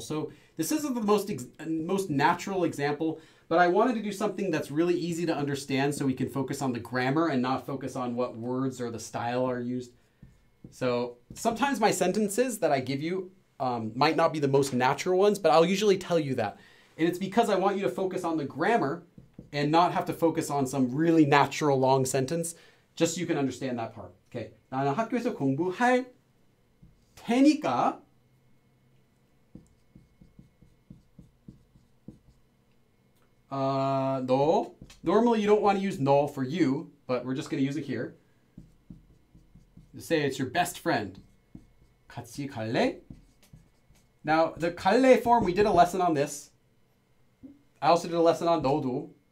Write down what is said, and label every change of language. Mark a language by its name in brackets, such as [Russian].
[English] So this isn't the most natural example, but I wanted to do something that's really easy to understand so we can focus on the grammar and not focus on what words or the style are used. So sometimes my sentences that I give you might not be the most natural ones, but I'll usually tell you that. And it's because I want you to focus on the grammar and not have to focus on some really natural long sentence, just so you can understand that part. Okay. [Korean] 나는 학교에서 공부할 테니까 너. [English] Normally, you don't want to use 너 for you, but we're just going to use it here. Say it's your best friend. [Korean] 같이 갈래? [English] Now, the 갈래 form, we did a lesson on this. I also did a lesson on 너도.